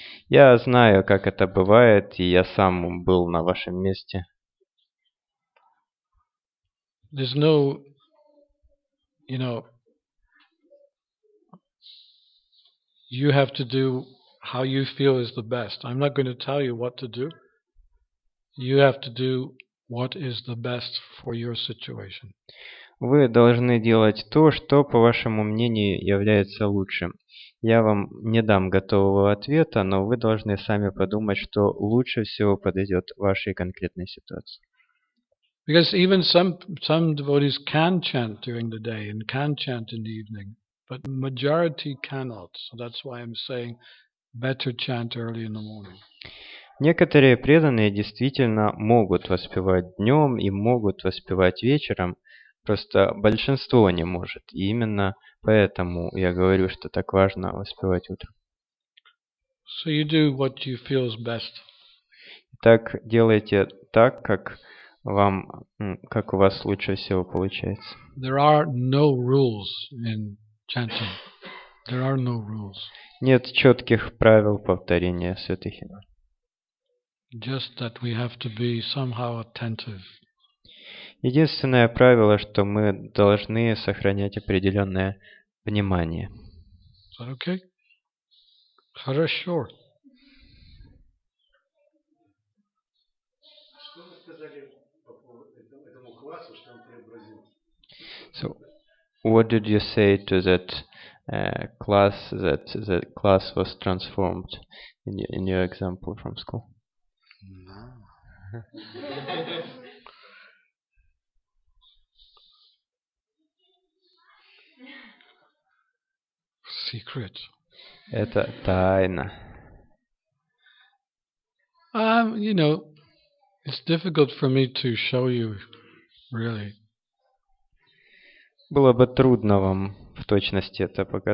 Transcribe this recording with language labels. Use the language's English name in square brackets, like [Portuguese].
[Russian] Я знаю, как это бывает, и я сам был на вашем месте. [English] There's no, you know, you have to do how you feel is the best. I'm not going to tell you what to do. You have to do what is the best for your situation. [Russian] Вы должны делать то, что, по вашему мнению, является лучшим. Я вам не дам готового ответа, но вы должны сами подумать, что лучше всего подойдет вашей конкретной ситуации. [English] Because even some devotees can chant during the day and can chant in the evening, but majority cannot. So that's why I'm saying better chant early in the morning. [Russian] Некоторые преданные действительно могут воспевать днем и могут воспевать вечером, просто большинство не может. И именно поэтому я говорю, что так важно воспевать утром. [English] So you do what you feel is best. [Russian] Так делайте так, как вам, как у вас лучше всего получается. [English] There are no rules in chanting. There are no rules. [Russian] Нет четких правил повторения святых имен. [English] Just that we have to be somehow attentive. [Russian] Единственное правило, что мы должны сохранять определенное внимание. [English] Is that okay? [Russian] Хорошо. [English] So, what did you say to that class, that the class was transformed in your example from school? No. Secret. [Russian] Это тайна. [English] You know, it's difficult for me to show you, really. [Russian] Было бы трудно вам в точности это